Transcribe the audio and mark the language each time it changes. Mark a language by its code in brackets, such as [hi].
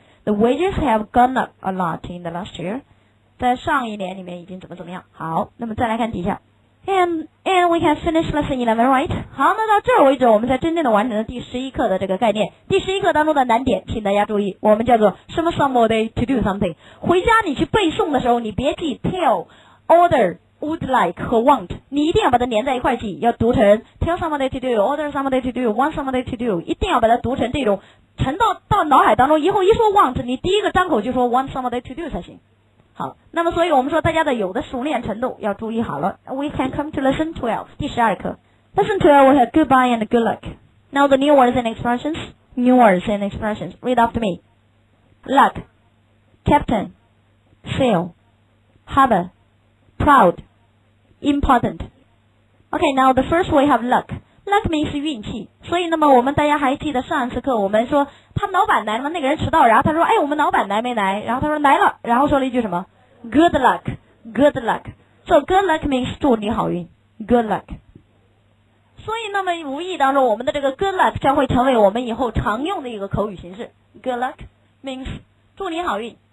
[en] The wages have gone up a lot in the last year, [zh] 在上一年里面已经怎么怎么样。好，那么再来看底下， [en] and we can finish lesson 11, right? [zh] 好，那到这儿为止我们才真正的完成了第十一课的这个概念。第十一课当中的难点请大家注意，我们叫做什么 somebody to do something, 回家你去背诵的时候你别记 tell, order, would like 和 want, 你一定要把它连在一块记，要读成 [en] tell somebody to do, order somebody to do, want somebody to do, [zh] 一定要把它读成这种沉到脑海当中，以后一说 want 你第一个张口就说 want somebody to do 才行。好，那么所以我们说大家的有的熟练程度要注意好了。 [en] We can come to lesson 12, [zh] 第十二课。 [en] Lesson 12 we have goodbye and good luck. Now the new words and expressions, read after me. Luck, captain, sail, harbor, proud, important. Okay, now the first we have luck. Luck means [zh] 运气。所以那么我们大家还记得上一次课我们说他老板来了，那个人迟到，然后他说哎我们老板来没来，然后他说来了，然后说了一句什么 good luck, good luck, [en] so good luck means [zh] 祝你好运， good luck。所以那么无意当中我们的这个 good luck 将会成为我们以后常用的一个口语形式， [en] good luck means [zh] 祝你好运。